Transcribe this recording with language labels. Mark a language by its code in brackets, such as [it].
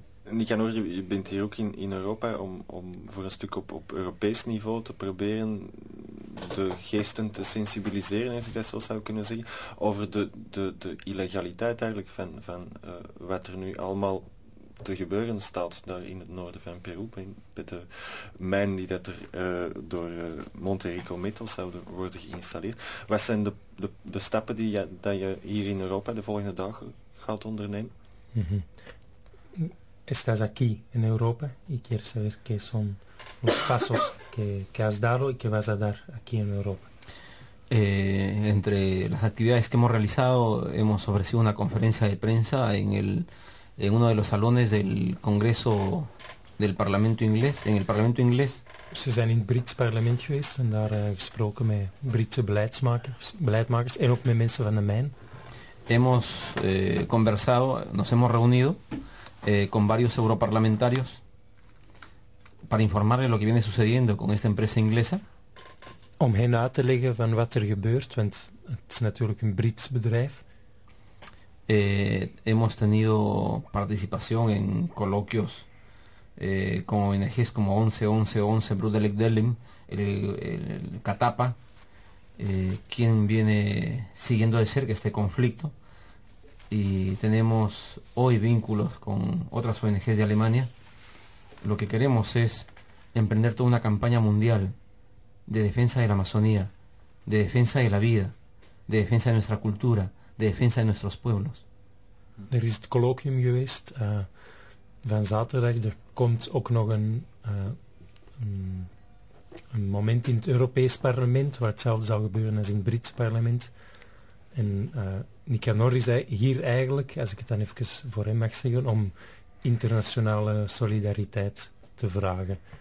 [nl] Nicanor, je bent hier ook in Europa om voor een stuk op Europees niveau te proberen de geesten te sensibiliseren, als ik dat zo zou kunnen zeggen, over de illegaliteit eigenlijk van wat er nu allemaal te gebeuren staat daar in het noorden van Peru, met de mijnen die dat er door Monterrico Metals zouden worden geïnstalleerd. Wat zijn de stappen die je hier in Europa de volgende dagen gaat ondernemen? [es] Estás aquí en Europa y quieres saber qué son los pasos que has dado y que vas a dar aquí en Europa. Entre las actividades que hemos realizado, hemos ofrecido una conferencia de prensa en uno de los salones del Congreso del Parlamento Inglés, en el Parlamento Inglés. [nl] Ze zijn in het Brits parlement geweest en daar gesproken met Britse beleidsmakers en ook met mensen van de mijn. [es] Hemos conversado, nos hemos reunido con varios europarlamentarios para informarle lo que viene sucediendo con esta empresa inglesa. [nl] Om hen uit te leggen van wat er gebeurt, want het is natuurlijk een Brits bedrijf. [es] Hemos tenido participación en coloquios con ONGs como 11-11-11, Brudelik Delim, el Catapa, quien viene siguiendo de cerca este conflicto. Y tenemos hoy vínculos con otras ONGs de Alemania. Lo que queremos es emprender toda una campaña mundial de defensa de la Amazonía, de defensa de la vida, de defensa de nuestra cultura, de defensa de nuestros pueblos. [nl] Er is het colloquium geweest van zaterdag. Er komt ook nog een moment in het Europees parlement waar hetzelfde zal gebeuren als in het Britse parlement. En Nicanor is hier eigenlijk, als ik het dan even voor hem mag zeggen, om internationale solidariteit te vragen.